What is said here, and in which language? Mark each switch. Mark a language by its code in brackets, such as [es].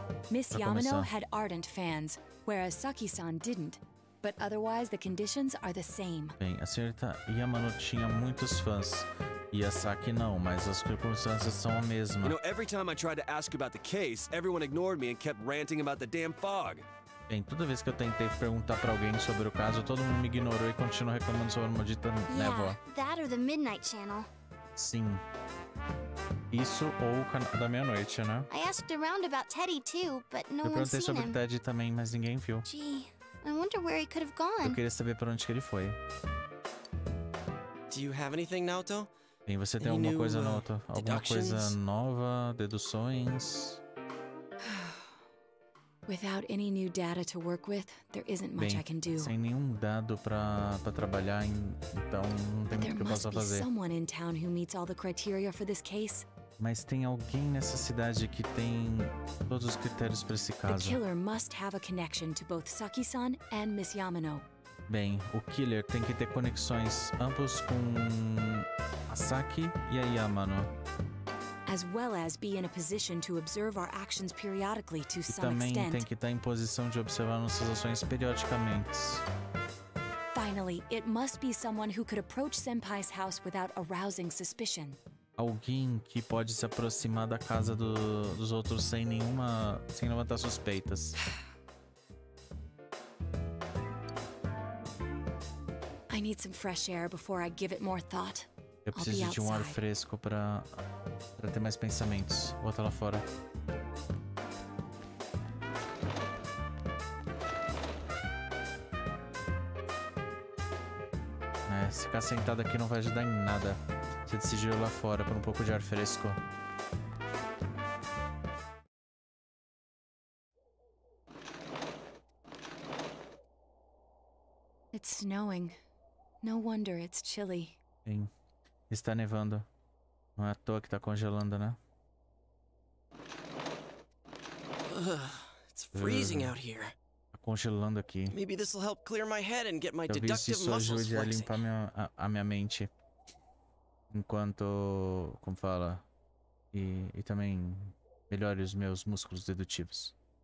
[en] Miss Yamano had ardent fans, whereas Saki-san didn't. But otherwise, the conditions are the same. [pt] Bem, a senhorita Yamano tinha muitos fãs e a Saki não, mas as circunstâncias são a mesma. [en] You know, every time I tried to ask about the case, everyone ignored me and kept ranting about the damn fog. [pt] Bem, toda vez que eu tentei perguntar para alguém sobre o caso, todo mundo me ignorou e continuou reclamando sobre a maldita névoa. [en] That or the Midnight Channel. [pt] Sim. Isso ou o canal da meia-noite, né? [en] I asked around about Teddy too, but no one's seen him. [pt] Eu perguntei sobre o Teddy também, mas ninguém viu. [en] Gee. I wonder where he could have gone. [pt] Eu queria saber para onde que ele foi. [en] Do you have anything, Naoto? [pt] E você tem alguma coisa nova? Alguma coisa nova? Deduções? [en] Without any new data to work with, there isn't much I can do. [pt] Sem nenhum dado pra trabalhar, então não tem muito o que eu possa fazer. [en] Someone in town who meets all the criteria for this case. [pt] Mas tem alguém nessa cidade que tem todos os critérios para esse caso. [en] The killer must have a connection to both Saki-san and Miss Yamano. [pt] Bem, o killer tem que ter conexões ambos com a Saki e a Yamano. [en] As well as be in a position to observe our actions periodically to some extent. [pt] Também tem que estar em posição de observar nossas ações periodicamente. [en] Finally, it must be someone who could approach Senpai's house without arousing suspicion. [pt] Alguém que pode se aproximar da casa dos outros sem levantar suspeitas. [en] I need some fresh air before I give it more thought. [pt] Eu preciso de um ar fresco para ter mais pensamentos. Vou estar lá fora. É, ficar sentado aqui não vai ajudar em nada. Você decidiu ir lá fora por um pouco de ar fresco. [en] It's snowing. No wonder it's chilly. [pt] Sim. Está nevando. Não é à toa que está congelando, né? [en] It's freezing out here. [pt] Está congelando aqui. [en] Maybe this will help clear my head and get my deductive muscles flexing. [pt] Talvez isso ajude a limpar a minha mente. Enquanto, como fala, e também melhore os meus músculos dedutivos.